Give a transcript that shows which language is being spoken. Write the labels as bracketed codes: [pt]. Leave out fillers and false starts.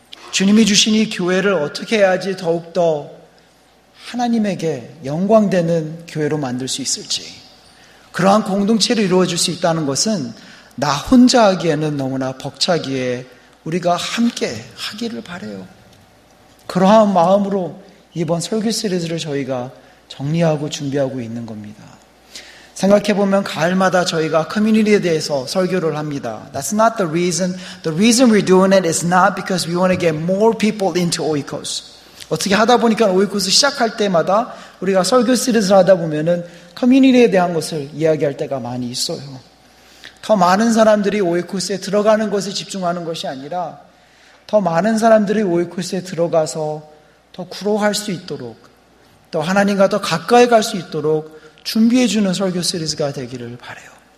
[ko] 주님이 주신 이 교회를 어떻게 해야지 더욱더 하나님에게 영광되는 교회로 만들 수 있을지, 그러한 공동체를 이루어줄 수 있다는 것은 나 혼자 하기에는 너무나 벅차기에 우리가 함께 하기를 바라요. 그러한 마음으로 이번 설교 시리즈를 저희가 정리하고 준비하고 있는 겁니다. 생각해보면 가을마다 저희가 커뮤니티에 대해서 설교를 합니다. [en] That's not the reason. The reason we're doing it is not because we want to get more people into Oikos. [ko] 어떻게 하다 보니까 Oikos 시작할 때마다 우리가 설교 시리즈를 하다 보면은 커뮤니티에 대한 것을 이야기할 때가 많이 있어요. 더 많은 사람들이 Oikos에 들어가는 것에 집중하는 것이 아니라 더 많은 사람들이 Oikos에 들어가서 더 그로할 수 있도록 또 하나님과 더 가까이 갈 수 있도록 준비해주는 설교 시리즈가 되기를 바라요.